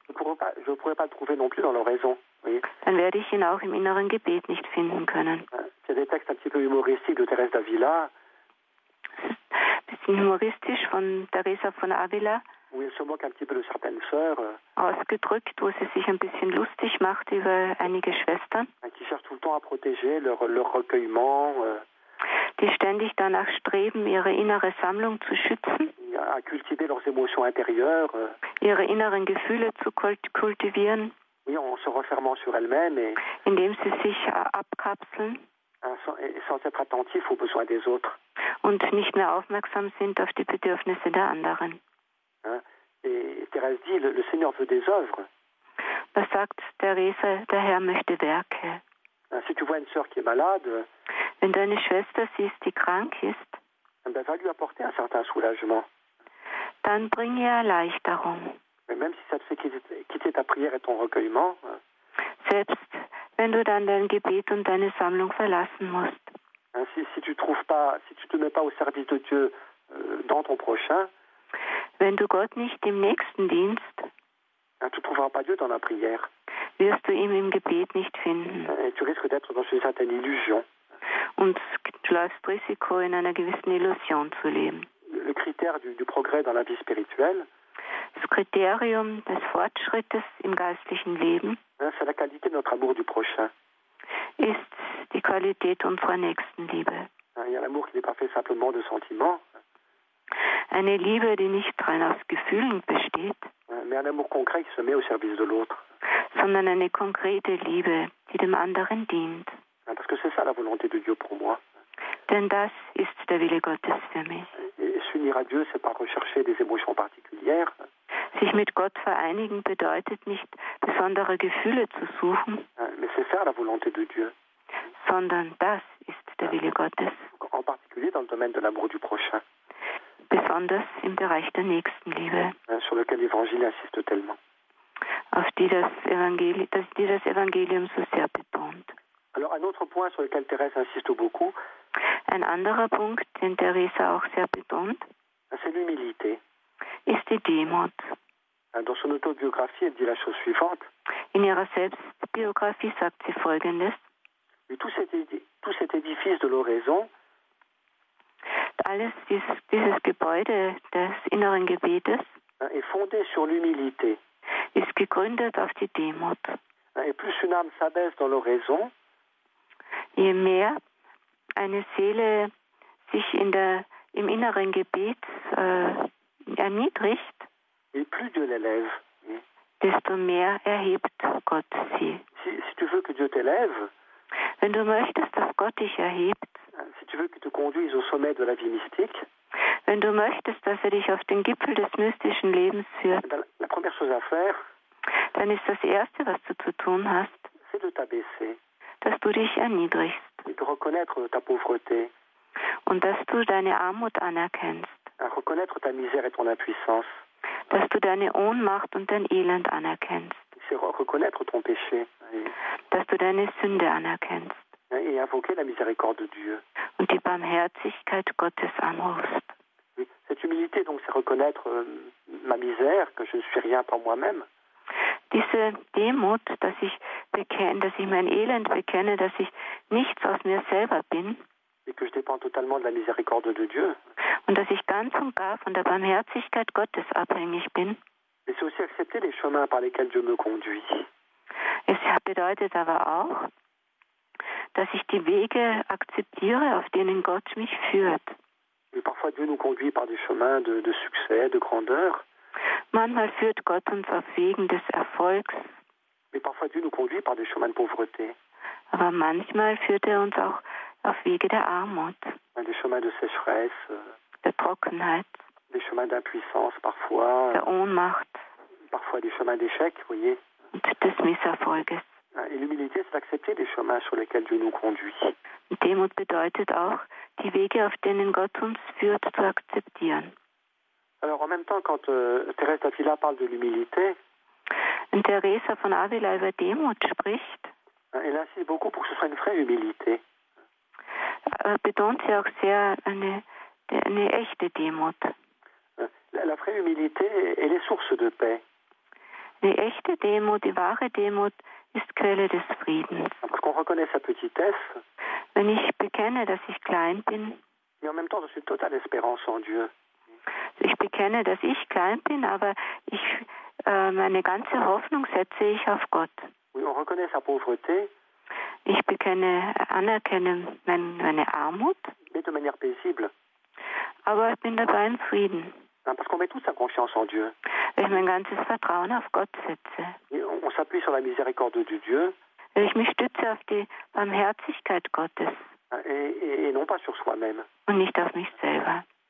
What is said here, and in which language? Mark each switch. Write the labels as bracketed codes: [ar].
[fr] je ne pourrais pas le trouver non plus dans l'oraison, oui. [de] Dann werde ich ihn auch im inneren Gebet nicht finden können. [fr] Il y a des textes un petit peu humoristiques de Thérèse d'Avila, [de] bisschen humoristisch von Teresa von Avila, [fr] où elle se moque un petit peu de certaines sœurs, [de] ausgedrückt, wo sie sich ein bisschen lustig macht über einige Schwestern, [fr] qui cherchent tout le temps à protéger leur recueillement, [de] die ständig danach streben, ihre innere Sammlung zu schützen, [fr] à cultiver leurs émotions intérieures, [de] ihre inneren Gefühle zu kultivieren, [fr] oui, en se refermant sur elles-mêmes, et [de] indem sie sich abkapseln, [fr] sans être attentif aux besoins des autres. [de] Und nicht mehr aufmerksam sind auf die Bedürfnisse der anderen. [fr] Et Thérèse dit, le Seigneur veut des œuvres. [de] Da sagt Therese, der Herr möchte Werke. [fr] Si tu vois une sœur qui est malade, [de] wenn du eine Schwester siehst, die krank ist, [fr] ben, va lui apporter un certain soulagement. [de] Dann bring ihr Erleichterung. [fr] Mais même si ça te fait quitter ta prière et ton recueillement, [de] selbst wenn du dann dein Gebet und deine Sammlung verlassen musst. [fr] Si tu te mets pas au service de Dieu dans ton prochain, [de] wenn du Gott nicht im nächsten dienst, [fr] tu trouveras pas Dieu dans la prière. [de] Wirst du ihn im Gebet nicht finden. [fr] Et tu risques d'être dans une certaine illusion. [de] Und du läufst Risiko, in einer gewissen Illusion zu leben. [fr] Le critère du progrès dans la vie spirituelle, [de] das Kriterium des Fortschrittes im geistlichen Leben, [fr] c'est la qualité de notre amour du prochain. [de] Ist die Qualität unserer Nächstenliebe. [fr] Il y a l'amour qui n'est pas fait simplement de sentiments. [de] Eine Liebe, die nicht rein aus Gefühlen besteht, [fr] mais un amour concret qui se met au service de l'autre. [de] Sondern eine konkrete Liebe, die dem anderen dient. [fr] Parce que c'est ça la volonté de Dieu pour moi. [de] Denn das ist der Wille Gottes für mich. [fr] S'unir à Dieu, c'est pas rechercher des émotions particulières. [de] Sich mit Gott vereinigen bedeutet nicht, besondere Gefühle zu suchen. [fr] Mais c'est faire la volonté de Dieu. [de] Sondern das ist der Wille Gottes. [fr] En particulier dans le domaine de l'amour du prochain. [de] Besonders im Bereich der Nächstenliebe. [fr] Sur lequel l'Évangile insiste tellement. [de] Auf die das Evangelium so sehr betont. [fr] Alors, un autre point sur lequel Thérèse insiste beaucoup. [de] Ein anderer Punkt, den Thérèse auch sehr betont. [fr] C'est l'humilité. [de] Ist die Demut. [fr] Dans son autobiographie, elle dit la chose suivante. [de] In ihrer Selbstbiographie sagt sie Folgendes. [fr] Tout cet édifice de l'oraison. [de] Alles dieses Gebäude des inneren Gebetes. [fr] Est fondé sur l'humilité. [de] Ist gegründet auf die Demut. [fr] Et plus une âme s'abaisse dans l'oraison, [de] je mehr eine Seele sich im inneren Gebet erniedrigt, [fr] et plus Dieu l'élève, [de] desto mehr erhebt Gott sie. [fr] Si tu veux que Dieu t'élève, [de] wenn du möchtest, dass Gott dich erhebt, [fr] si tu veux qu'il te conduise au sommet de la vie mystique, [de] wenn du möchtest, dass dich auf den Gipfel des mystischen Lebens führt, [fr] la première chose à faire, [de] dann ist das Erste, was du zu tun hast, [fr] c'est de t'abaisser, [de] dass du dich erniedrigst, [fr] et de reconnaître ta pauvreté, [de] und dass du deine Armut anerkennst, [fr] reconnaître ta misère et ton impuissance, [de] dass du deine Ohnmacht und dein Elend anerkennst, [fr] c'est reconnaître ton péché, [de] dass du deine Sünde anerkennst, [fr] et invoquer la miséricorde de Dieu. [de] Und die Barmherzigkeit Gottes anrufst. [fr] Cette humilité, donc, c'est reconnaître ma misère, que je ne suis rien par moi-même. [de] Diese Demut, dass ich mein Elend bekenne, dass ich nichts aus mir selber bin. [fr] Et que je dépends totalement de la miséricorde de Dieu. [de] Und dass ich ganz und gar von der Barmherzigkeit Gottes abhängig bin. [fr] Et c'est aussi accepter les chemins par lesquels Dieu me conduit. [de] Es bedeutet aber auch, dass ich die Wege akzeptiere, auf denen Gott mich führt. [fr] Et parfois Dieu nous conduit par des chemins de succès, de grandeur. [de] Manchmal führt Gott uns auf Wegen des Erfolgs. [fr] Mais parfois Dieu nous conduit par des chemins de pauvreté. [de] Aber manchmal führt uns auch auf Wege der Armut. [fr] Des chemins de sécheresse. [de] Der Trockenheit. [fr] Des chemins d'impuissance parfois. [de] Der Ohnmacht. [fr] Parfois des chemins d'échec, voyez. [de] Und des Misserfolges. [fr] Et l'humilité, c'est accepter les chemins sur lesquels Dieu nous conduit. [de] Demut bedeutet auch, die Wege, auf denen Gott uns führt, zu akzeptieren. [fr] Alors, en même temps, quand Thérèse d'Avila parle de l'humilité, [de] wenn Thérèse von Avila über Demut spricht, [fr] elle insiste beaucoup pour que ce soit une vraie humilité. [de] Betont sie auch sehr eine echte Demut. [fr] La vraie humilité, elle est source de paix. [de] Die echte Demut, die wahre Demut, ist Quelle des Friedens. [fr] Parce qu'on reconnaît sa petitesse, [de] wenn ich bekenne, dass ich klein bin, [fr] et en même temps, je suis totale espérance en Dieu. [de] Ich bekenne, dass ich klein bin, aber ich meine ganze Hoffnung setze ich auf Gott. [fr] Oui, on reconnaît sa pauvreté, [de] ich bekenne, anerkenne meine Armut, [fr] mais de manière paisible. [de] Aber ich bin dabei im Frieden. [fr] Parce qu'on met toute sa confiance en Dieu. [de] Ich mein ganzes Vertrauen auf Gott setze. [fr] On s'appuie sur la miséricorde de Dieu. [de] Ich mich stütze auf die Barmherzigkeit Gottes. [fr] Et non pas sur soi-même. [de] Und nicht auf mich selber.